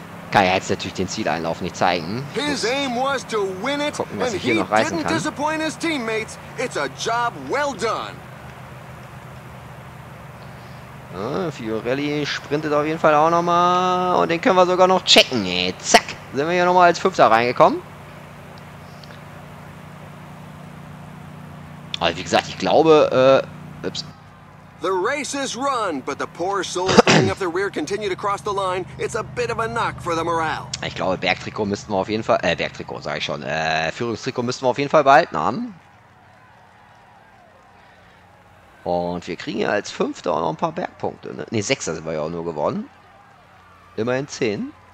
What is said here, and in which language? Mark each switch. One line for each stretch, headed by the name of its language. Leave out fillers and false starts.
German: Kann ja jetzt natürlich den Zieleinlauf nicht zeigen.
English: His aim was to win it, and he didn't disappoint his teammates. It's a job well done.
German: Fiorelli sprintet auf jeden Fall auch noch mal und den können wir sogar noch checken. Zack, sind wir hier noch mal als Fünfter reingekommen. Aber wie gesagt, ich glaube, ups.
English: The race is run, but the poor souls bringing up the rear continue to cross the line. It's a bit of a knock for the morale.
German: Ich glaube, Bergtrikot müssten wir auf jeden Fall, Bergtrikot, sag ich schon, Führungstrikot müssten wir auf jeden Fall behalten haben. Und wir kriegen ja als Fünfter auch noch ein paar Bergpunkte, ne? Ne, Sechster sind wir ja auch nur gewonnen. Immerhin 10.